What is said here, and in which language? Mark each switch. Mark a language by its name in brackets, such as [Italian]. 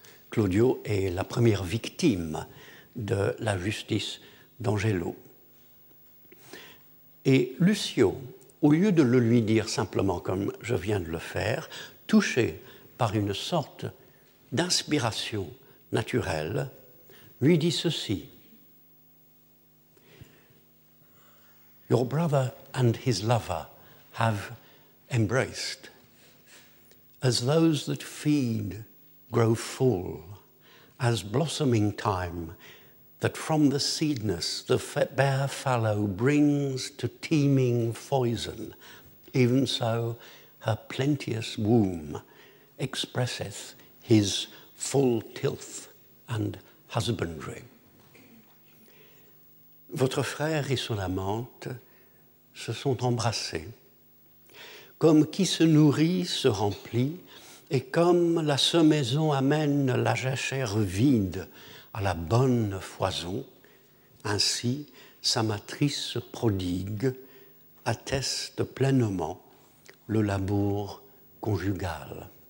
[French] Claudio est la première victime de la justice d'Angelo. Et Lucio, au lieu de le lui dire simplement comme je viens de le faire, touché par une sorte d'inspiration naturelle, lui dit ceci. [English] Your brother and his lover have embraced, as those that feed grow full, as blossoming time that from the seedness the bare fallow brings to teeming foison, even so her plenteous womb expresseth his full tilth and husbandry. [French] Votre frère et son amante se sont embrassés comme qui se nourrit se remplit, et comme la semaison amène la jachère vide à la bonne foison, ainsi sa matrice prodigue atteste pleinement le labour conjugal.